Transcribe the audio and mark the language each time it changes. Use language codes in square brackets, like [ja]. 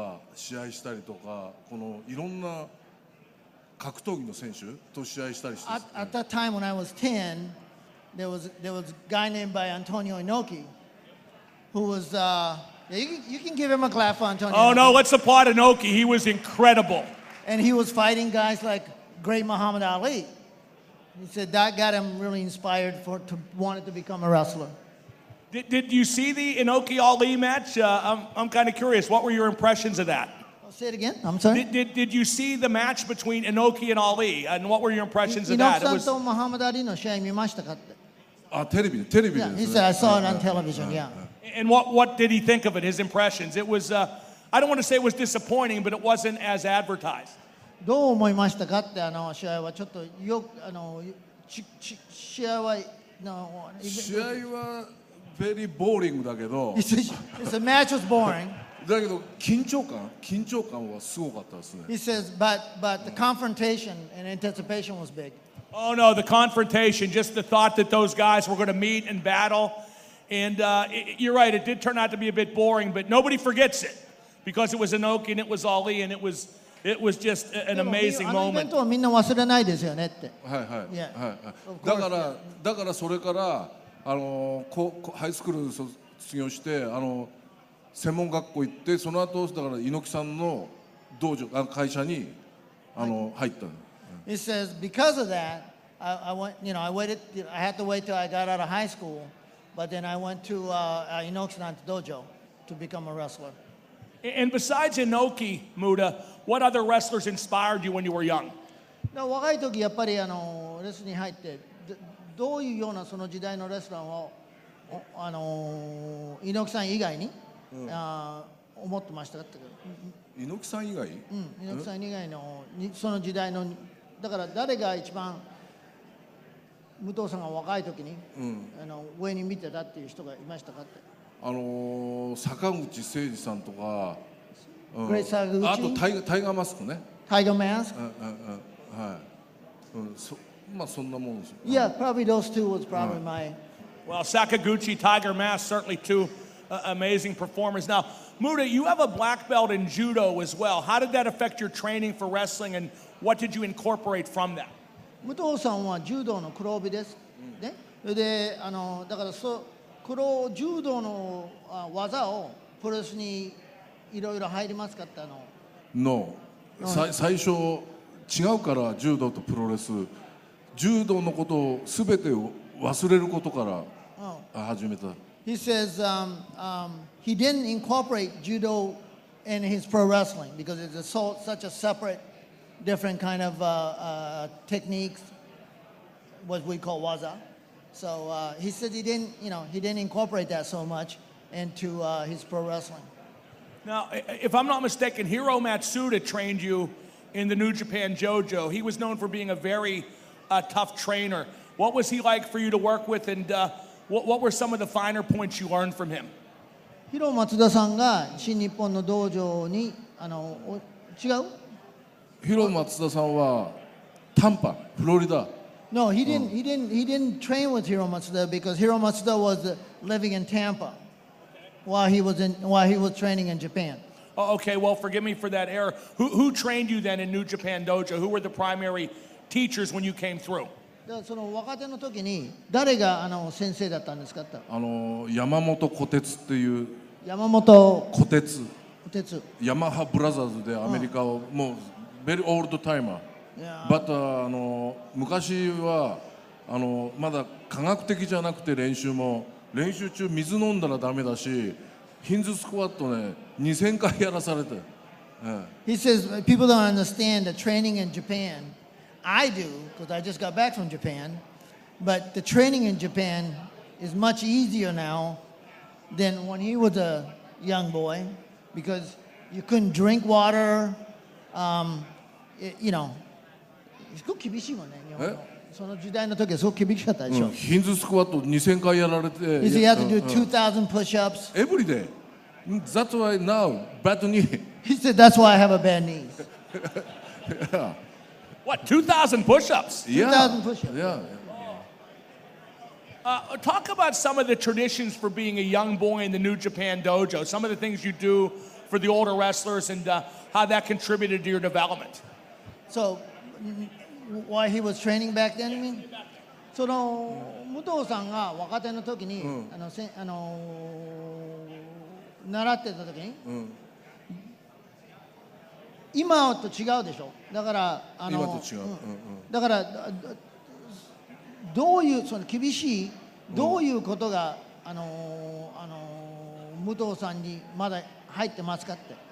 [ja] その時代の時は誰が、日本人のレスラーで、アントニオ猪木さんっていう人が、モハメドアリーとか試合したりとか、このいろんな [en] At that time when I was 10, there was a guy named by Antonio Inoki, who was, you can give him a clap for Antonio Inoki. Oh no, let's applaud Inoki, he was incredible. And he was fighting guys like great Muhammad Ali. He said that got him really inspired to wanted to become a wrestler. Did you see the Inoki Ali match? I'm kind of curious, what were your impressions of that? Say it again. I'm sorry. Did you see the match between Inoki and Ali, and what were your impressions of that? [ja] Inoki さんとムハマドアリの試合見ましたか? テレビで。 [en] Yeah, he said I saw it on television. Yeah. And what did he think of it? His impressions. It was I don't want to say it was disappointing, but it wasn't as advertised. [ja] どう思いましたかってあの試合はちょっとよあのちち試合はの試合は [en] very boring [ja] だけど [en] it's a match was boring [ja] だけど緊張感はすごかったですね [en] he says but the confrontation and anticipation was big oh no the confrontation just the thought that those guys were going to meet and battle and you're right it did turn out to be a bit boring but nobody forgets it because it was Inoki and it was Ali and it was just an amazing moment [ja] でもあのイベントはみんな忘れないですよねってはいはい、yeah. はいはい、だからそれからあのこハイスクール卒業してあの専門学校行ってその後だから猪木さんの道場あの会社にあの、はい、入ったの。 [en] He says because of that, I went, you know, I waited, I had to wait till I got out of high school, but then I went to Inoki-san's dojo to become a wrestler. And besides Inoki, Muda, what other wrestlers inspired you when you were young? [ja] No, 若い時やっぱりあのレスに入ってどういうようなその時代のレスラーをあの Inoki-san 以外に思ってましたかって。 Inoki-san 以外？うん、Inoki-san 以外のその時代のだから誰が一番武藤さんが若い時に、うん、あの上に見てたっていう人がいましたかって坂口誠二さんとか、うん、レッサー口あとタイガーマスクねタイガーマスク、はいうん、まあそんなもんです [en] よ Yeah, probably those two was probably、うん、my Well, Sakaguchi, Tiger Mask, certainly two、amazing performers Now,Muda, you have a black belt in judo as well. How did that affect your training for wrestling and what did you incorporate from that? [ja] Muto-san は柔道の黒帯です。ね、で、あの、だから、そう、柔道の技をプロレスにいろいろ入りますかって、あの。 [en] No. [ja] 最初、違うから柔道とプロレス。柔道のことを全て忘れることから始めた。 [en] He says, he didn't incorporate judo in his pro wrestling because it's such a separate, different kind of techniques, what we call waza. So he said he didn't, you know, he didn't incorporate that so much into his pro wrestling. Now, if I'm not mistaken, Hiro Matsuda trained you in the New Japan Jojo. He was known for being a very tough trainer. What was he like for you to work with and what were some of the finer points you learned from him? [ja] ヒロ・マツダさんが新日本の道場にあの違う？ヒロ・マツダさんはタンパ、フロリダ。 [en] No, he didn't.、うん、he didn't train with Hiro Matsuda because Hiro Matsuda was living in Tampa while he was training in Japan. Okay, well, forgive me for that error. Who trained you then in New Japan Dojo? Who were the primary teachers when you came through? [ja] その若手の時に誰があの先生だったんですかって山本小鉄っていう山本小鉄ヤマハブラザーズでアメリカを、うん、もうベリーオールドタイマーバッター昔はまだ科学的じゃなくて練習中水飲んだらダメだしヒンズスクワットね2000回やらされて、 [en] うん、He says people don't understand the training in JapanI do, because I just got back from Japan, but the training in Japan is much easier now than when he was a young boy, because you couldn't drink water, you know. [ja] すごく厳しいもんね、日本の。その時代の時はすごく厳しかったでしょ。ヒンズスクワット2000回やられて。 [en] He said he had to do 2,000 push-ups. Every day. That's why now, bad knee. He said, that's why I have a bad knee. Yeah. What, 2,000 push-ups? Yeah. 2,000 push-ups. Yeah. Oh. Talk about some of the traditions for being a young boy in the New Japan Dojo. Some of the things you do for the older wrestlers and how that contributed to your development. So, why he was training back then, you mean? [ja] その、武藤さんが若手の時に、習ってた時に、今と違うでしょだから今と違う、うん、だからどういうその厳しい、うん、どういうことが武藤さんにまだ入ってますかって、